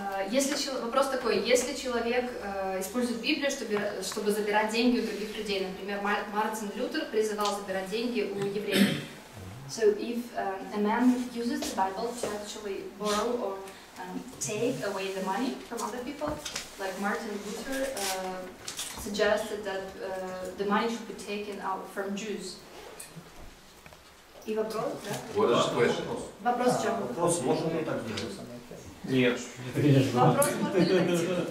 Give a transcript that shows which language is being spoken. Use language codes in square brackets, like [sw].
[ru] Если вопрос такой, если человек использует Библию, чтобы забирать деньги у других людей, например, Мартин Лютер призывал забирать деньги у евреев. [en] So if a man uses the Bible to actually borrow or take away the money from other people, like Martin Luther suggested that the money should be taken out from Jews. [ru] И вопрос, да? [en] What is the question? [ru] Вопрос в чем? Вопрос, можно ли так делать? Нет. Вопрос, можно ли так делать?